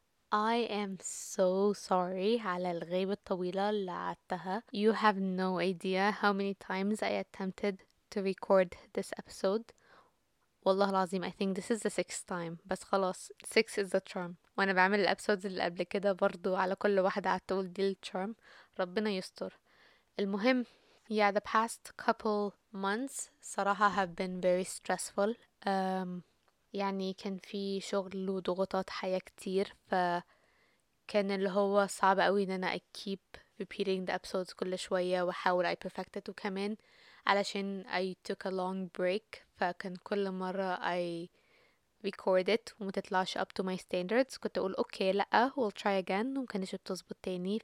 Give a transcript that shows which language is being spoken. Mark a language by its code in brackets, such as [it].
[en] I am so sorry [ar] على الغيبة الطويلة اللي عدتها. [en] You have no idea how many times I attempted to record this episode. [ar] والله العظيم [en] I think this is the 6th time, [ar] بس خلاص [en] 6 is the charm. [ar] وانا بعمل الابسودز اللي قبل كده برضو على كل واحدة عتقول دي الشارم, ربنا يستر. المهم, [en] yeah, the past couple months [ar] صراحة [en] have been very stressful. [ar] يعني كان في شغل وضغوطات حياة كتير, فكان اللي هو صعب قوي ان انا [en] I keep repeating the episodes [ar] كل شوية وحاول [en] I perfect it, [ar] وكمان علشان [en] I took a long break, [ar] فكان كل مرة [en] I record it [ar] ومتطلعش [en] up to my standards, [ar] كنت أقول okay لأ [en] we'll try again [ar] ومكانش بتظبط تاني.